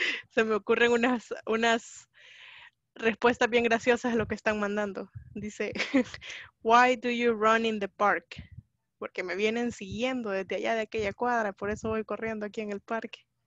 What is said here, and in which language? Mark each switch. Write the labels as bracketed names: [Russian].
[Spanish] Se me ocurren unas respuestas bien graciosas a lo que están mandando. [English] Dice, why do you run in the park? [Spanish] Porque me vienen siguiendo desde allá de aquella cuadra, por eso voy corriendo aquí en el parque.